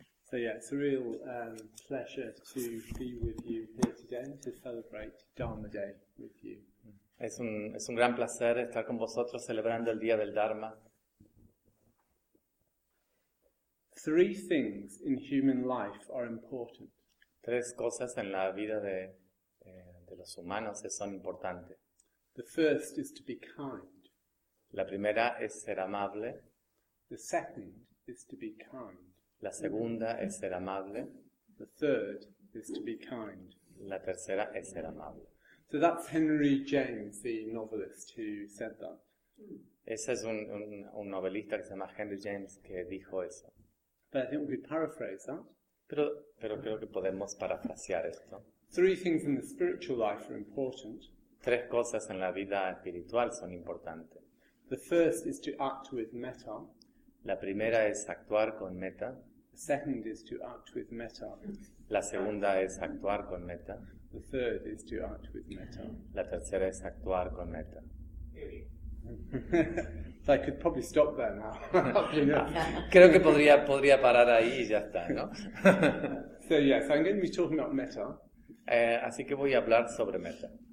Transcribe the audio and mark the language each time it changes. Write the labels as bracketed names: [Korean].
[English] So yeah, it's a real pleasure to be with you here today to celebrate Dharma Day with you. [Spanish] Es un gran placer estar con vosotros celebrando el día del Dharma. [English] Three things in human life are important. [Spanish] Tres cosas en la vida de los humanos son importantes. [English] The first is to be kind. [Spanish] La primera es ser amable. [English] The second is to be kind. [Spanish] La segunda es ser amable. [English] The third is to be kind. [Spanish] La tercera es ser amable. [English] So that's Henry James, the novelist who said that. [Spanish] Ese es un novelista que se llama Henry James que dijo eso. [English] But I think we could paraphrase that. [Spanish] Pero creo que podemos parafrasear esto. [English] Three things in the spiritual life are important. [Spanish] Tres cosas en la vida espiritual son importantes. [English] The first is to act with metta. [Spanish] La primera es actuar con metta. [English] The second is to act with metta. [Spanish] La segunda es actuar con metta. [English] The third is to act with metta. [Spanish] La tercera es actuar con metta. [English] So I could probably stop there now. [Spanish] Creo que podría parar ahí y ya está, ¿no? [English] So yes, I'm going to be talking about metta. [Spanish] Así que voy a hablar sobre metta.